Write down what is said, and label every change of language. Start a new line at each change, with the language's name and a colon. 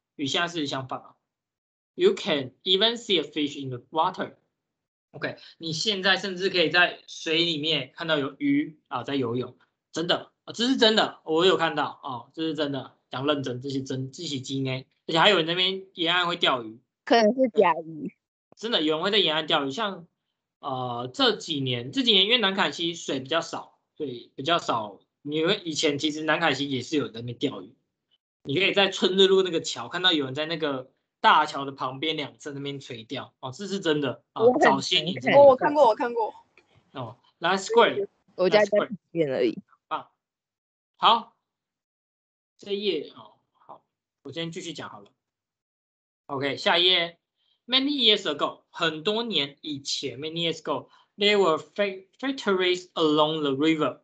Chinese: 与现在是相反啊
English: ，You can even see a fish in the water.
Chinese: OK， 你现在甚至可以在水里面看到有鱼啊在游泳，真的，这是真的，我有看到啊，这是真的。讲认真，这些真，这些金哎，而且还有人那边沿岸会钓鱼，可能是假鱼，真的有人会在沿岸钓鱼，像这几年，这几年因为南崁溪水比较少，所以比较少，你以前其实南崁溪也是有人在那边钓鱼，你可以在春日路那个桥看到有人在那个大桥的旁边两侧那边垂钓，哦，这是真的啊，早些年在，我看过，我看过，
English: 哦 ，Last Square，
Chinese: 我家在那边而已，啊，好。这页哦，好，我先继续讲好了。 OK， 下一页。
English: Many years ago，
Chinese: 很多年以前
English: ，many years ago， there were factories along the river。